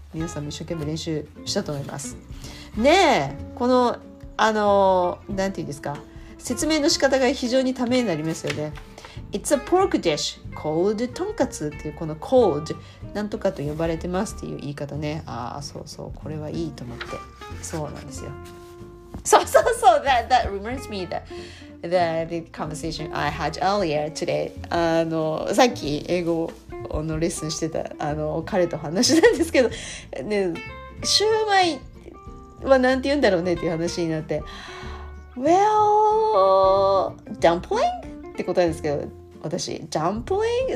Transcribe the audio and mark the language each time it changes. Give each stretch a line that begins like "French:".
Japanese: 皆さんも一生懸命練習したと思います。ねえ、この、なんて言うんですか。説明の仕方が非常にためになりますよね。
English: It's a pork dish called
Japanese: とんかつっていうこの called なんとかと呼ばれてますっていう言い方ね。ああ、そうそう、これはいいと思って。そうなんですよ。そうそうそう、
English: that reminds me the conversation I had earlier today.
Japanese: さっき英語のレッスンしてた彼と話したんですけど、ね、シューマイはなんて言うんだろうねっていう話になって。
English: Well, dumpling?
Japanese: って答えですけど、私、dumpling?